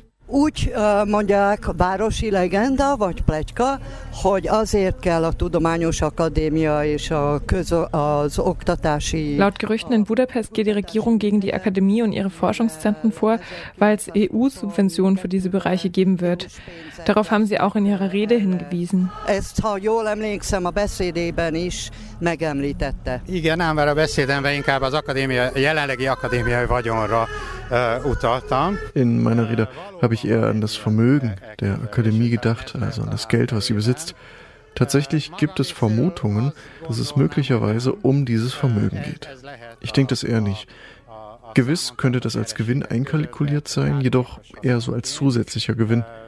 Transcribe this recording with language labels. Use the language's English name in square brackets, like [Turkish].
[Hungarian] Úgy mondják városi legenda vagy pletyka, hogy azért kell a Tudományos Akadémia és a az oktatási. [German] Laut Gerüchten in Budapest geht die Regierung gegen die Akademie und ihre Forschungszentren vor, weil es EU-Subventionen für diese Bereiche geben wird. Darauf haben sie auch in ihrer Rede hingewiesen. [Hungarian] Ezt, ha jól emlékszem, a beszédében is megemlítette. Igen, ám, mert a beszédemben inkább az akadémia, jelenlegi akadémiai vagyonra utaltam. [German] In meiner Rede habe ich eher an das Vermögen der Akademie gedacht, also an das Geld, was sie besitzt. Tatsächlich gibt es Vermutungen, dass es möglicherweise um dieses Vermögen geht. Ich denke das eher nicht. Gewiss könnte das als Gewinn einkalkuliert sein, jedoch eher so als zusätzlicher Gewinn.